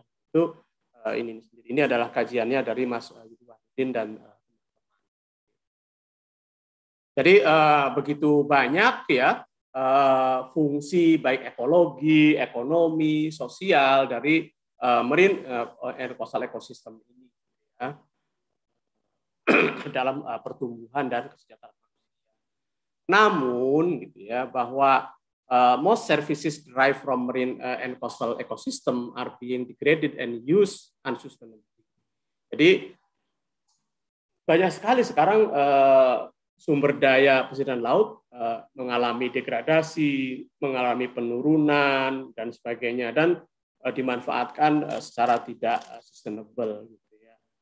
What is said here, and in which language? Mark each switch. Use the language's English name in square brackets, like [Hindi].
[Indonesian] Itu ini sendiri. Ini adalah kajiannya dari Mas Yudhwardin dan jadi begitu banyak ya fungsi baik ekologi, ekonomi, sosial dari marine coastal ekosistem ini ya, dalam pertumbuhan dan kesejahteraan. Namun gitu ya, bahwa [English] most services derived from marine and coastal ecosystem are being degraded and used unsustainably. [Indonesian] Jadi banyak sekali sekarang sumber daya pesisir dan laut mengalami degradasi, mengalami penurunan dan sebagainya, dan dimanfaatkan secara tidak sustainable gitu ya.